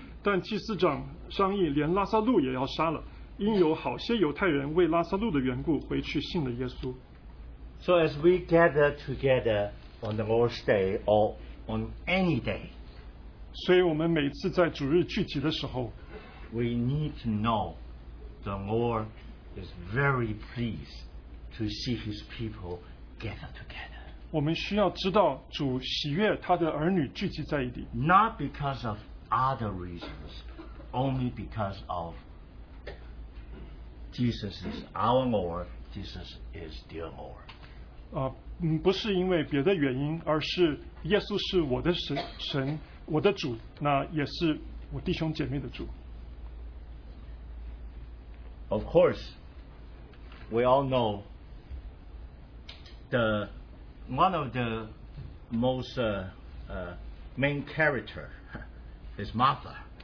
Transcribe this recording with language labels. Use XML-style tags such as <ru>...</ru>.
<zh>但祭司长商议，连拉撒路也要杀了，因有好些犹太人为拉撒路的缘故回去信了耶稣。</zh> <en>So as we gather together on the Lord's Day or on any day,</en> <zh>所以我们每次在主日聚集的时候，</zh> <en>We need to know the Lord is very pleased to see His people gather together.</en> <zh>我们需要知道主喜悦他的儿女聚集在一起。</zh> <en>Not because of other reasons, only because of Jesus is our Lord, Jesus is their Lord.</en> <zh>不是因为别的原因，而是耶稣是我的神，我的主，那也是我弟兄姐妹的主。</zh> <en>Of course, we all know the one of the most main character is Martha.</en>